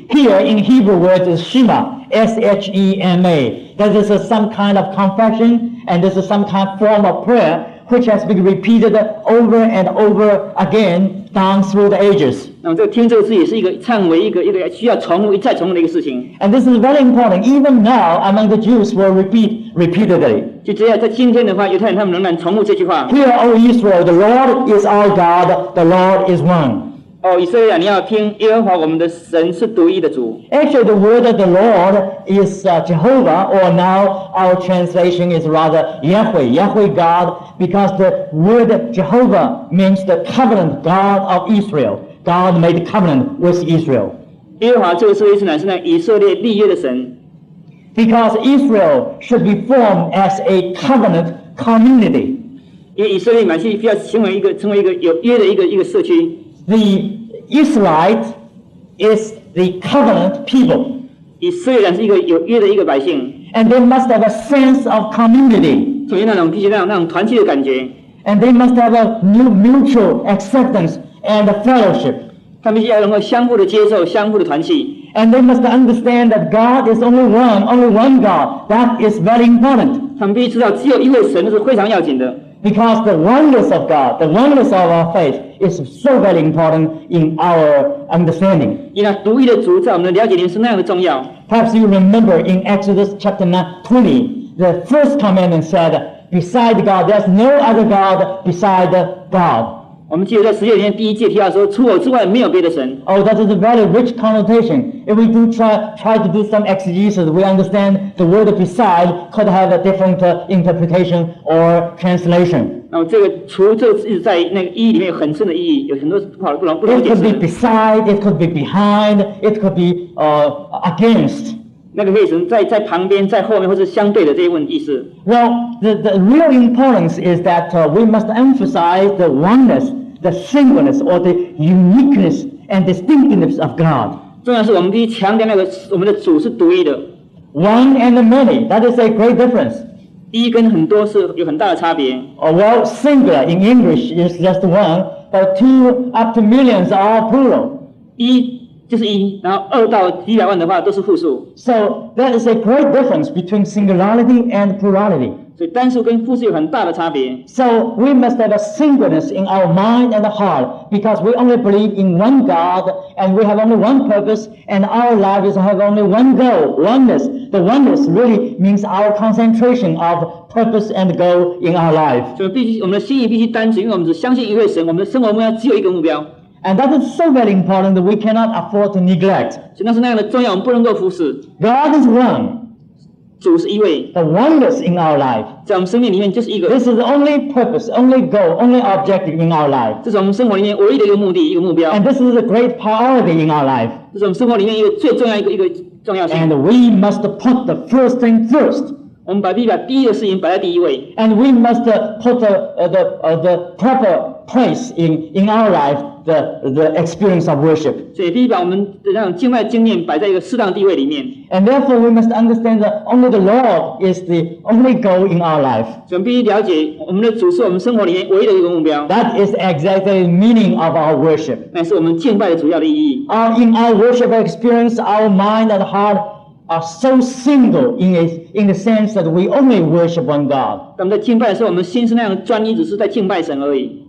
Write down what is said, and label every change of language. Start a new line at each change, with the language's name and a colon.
English: Here in Hebrew words is shema, S-H-E-M-A. That is some kind of confession, and this is some kind of form of prayer, which has been repeated over and over again down through the ages.
Chinese: 那这个听这个字也是一个忏悔，一个需要重复一再重复的一个事情。
English: And this is very important. Even now, among the Jews, will repeat. Repeatedly.
Chinese: 就这样，在今天的话，犹太人他们仍然重复这句话。
English: Hear, O Israel, the Lord is our God, the Lord is one.
Chinese: 哦，以色列啊，你要听，耶和华我们的神是独一的主。
English: Actually, the word of the Lord is Jehovah, or now our translation is rather Yahweh, Yahweh God, because the word Jehovah means the covenant God of Israel. God made covenant with Israel.
Chinese: 耶和华这个意思乃是那以色列立约的神。
English: Because Israel should be formed as a covenant community.
Chinese: 因为以色列乃是必要成为一个有约的一个社区。
English: The Israelite is the covenant people.
Chinese: 以色列乃是一个有约的一个百姓。
English: And they must have a sense of community.
Chinese: 所以那种团契的感觉。
English: And they must have a mutual acceptance and a fellowship.
Chinese: 他们要能够相互的接受，相互的团契。
English: And they must understand that God is only one God. That is very important.
Chinese: 他们必须知道，只有一位神是非常要紧的。
English: Because the oneness of God, the oneness of our faith, is so very important in our understanding.
Chinese: 因为独一的主在我们的了解里面是那样的重要。
English: Perhaps you remember in Exodus chapter 20, the first commandment said, "Beside God, there's no other God beside God."
Chinese: 我们记得在十诫里面第一诫提到说，除我之外没有别的神。
English: Oh, that is a very rich connotation. If we do try to do some exegesis, we understand the word beside could have a different interpretation or translation.
Chinese: 那么这个除这个意思在那个意义里面有很深的意义，有很多不同解释。
English: It could be beside, it could be behind, it could be against.
Chinese: 那个可以是在旁边、在后面，或是相对的这一问意思。
English: Well, the real importance is that we must emphasize the oneness. The singleness or the uniqueness and distinctiveness of God.
Chinese: 重要是我们必须强调那个我们的主是独一的。
English: One and many, that is a great difference.
Chinese: 第一跟很多是有很大的差别。
English: Oh, well, singular in English is just one, but two up to millions are plural.
Chinese: 一就是一，然后二到几百万的话都是复数。
English: So that is a great difference between singularity and plurality.
Chinese: 所以单数跟复数有很大的差别。
English: So we must have a singleness in our mind and heart because we only believe in one God and we have only one purpose and our lives have only one goal, oneness. The oneness really means our concentration of purpose and goal in our life.
Chinese: 所以必须我们的心意必须单纯，因为我们只相信一位神，我们的生活目标只有一个目标。
English: And that is so very important that we cannot afford to neglect.
Chinese: 所以那是那样的重要，我们不能够忽视。
English: God is one.
Chinese: 主是一位。
English: The oneness in our life.
Chinese: 在我们生命里面就是一个。
English: This is the only purpose, only goal, only objective in our life.
Chinese: 这是我们生活里面唯一的一个目的，一个目标。
English: And this is a great priority in our life.
Chinese: 这是我们生活里面一个最重要一个重要性。
English: And we must put the first thing first.
Chinese: 我们把必须把第一的事情摆在第一位。
English: And we must put the proper place in our life. The experience of worship.
Chinese: 所以必须把我们的那种敬拜经验摆在一个适当地位里面。
English: And therefore, we must understand that only the Lord is the only goal in our life.
Chinese: 所以必须了解我们的主是我们生活里面唯一的一个目标。
English: That is exactly the meaning of our worship.
Chinese: 那是我们敬拜的主要的意义。
English: In our worship experience, our mind and heart are so single in the sense that we only worship one God.
Chinese: 我们在敬拜的时候，我们心是那样专一，只是在敬拜神而已。